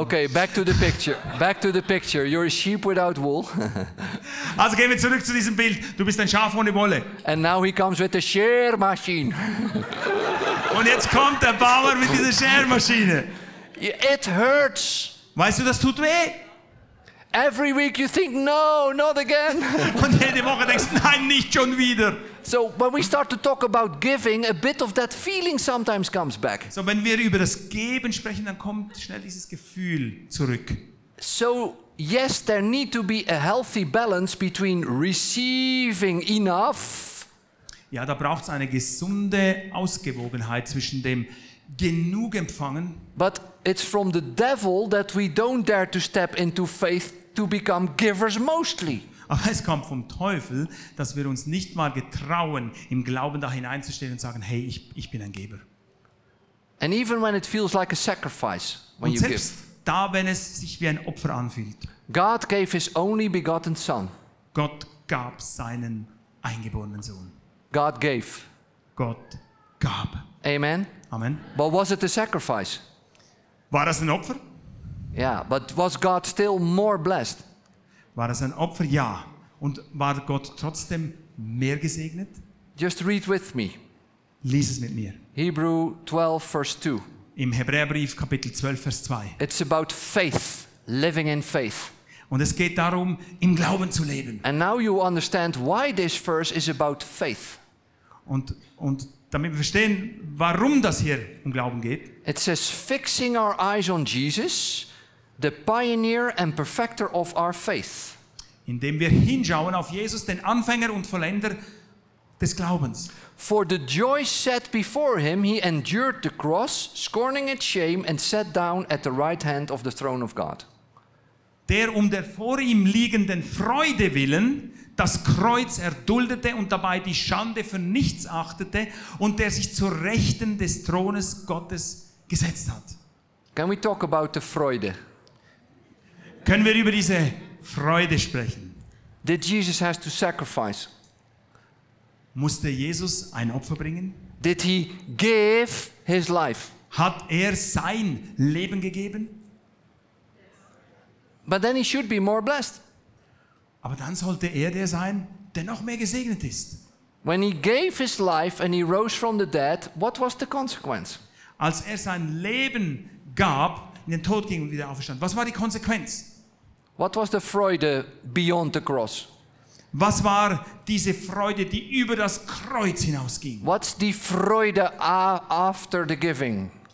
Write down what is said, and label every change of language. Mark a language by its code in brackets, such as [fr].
[en] Okay, back to the picture. You're a sheep without wool. [de] Also gehen wir zurück zu diesem Bild. Du bist ein Schaf ohne Wolle. [en] And now he comes with the Schermaschine. [de] Und jetzt kommt der Bauer mit dieser Schermaschine. [en] It hurts. [de] Weißt du, das tut weh? [en] Every week you think, no, not again. [de] Und jede Woche denkst du, nein, nicht schon wieder. [en] So when we start to talk about giving, a bit of that feeling sometimes comes back. [de] So wenn wir über das Geben sprechen, dann kommt schnell dieses Gefühl zurück. [en] So yes, there need to be a healthy balance between receiving enough. [de] Ja, da braucht's eine gesunde Ausgewogenheit zwischen dem genug empfangen. [en] But it's from the devil that we don't dare to step into faith to become givers mostly. [de] Aber es kommt vom Teufel, dass wir uns nicht mal getrauen, im Glauben da hineinzustehen und sagen, hey, ich bin ein Geber. [en] And even when it feels like a sacrifice, when [de] und selbst [en] you give. [de] Da, wenn es sich wie ein Opfer anfühlt. [en] God gave his only begotten son. [de] Gott gab seinen eingeborenen Sohn. [en] God gave. [de] Gott gab. [en] Amen. [de] Amen. [en] But was it a sacrifice? [de] War das ein Opfer? [en] Yeah, but was God still more blessed? [de] War das ein Opfer? Ja. Und war Gott trotzdem mehr gesegnet? [en] Just read with me. [de] Lies es mit mir. [en] Hebrew 12, verse 2. [de] Im Hebräerbrief, Kapitel 12, Vers 2. [en] It's about faith, living in faith. [de] Und es geht darum, im Glauben zu leben. [en] And now you understand why this verse is about faith. [de] Und damit wir verstehen, warum das hier um Glauben geht. [en] It says, fixing our eyes on Jesus, the pioneer and perfecter of our faith. [de] Indem wir hinschauen auf Jesus, den Anfänger und Vollender des Glaubens. [en] For the joy set before him, he endured the cross, scorning its shame, and sat down at the right hand of the throne of God. [de] Der um der vor ihm liegenden Freude willen, das Kreuz erduldete und dabei die Schande für nichts achtete und der sich zur Rechten des Thrones Gottes gesetzt hat. [en] Can we talk about the Freude? [de] Können wir über diese Freude sprechen? [en] Did Jesus have to sacrifice? [de] Musste Jesus ein Opfer bringen? [en] Did he give his life? [de] Hat er sein Leben gegeben? [en] But then he should be more blessed. [de] Aber dann sollte er der sein, der noch mehr gesegnet ist. [en] When he gave his life and he rose from the dead, what was the consequence? [de] Als er sein Leben gab, in den Tod ging und wieder auferstand, was war die Konsequenz? [en] What was the Freude beyond the cross? [de] Was war diese Freude, die über das Kreuz hinausging? [en] What's the Freude after the giving?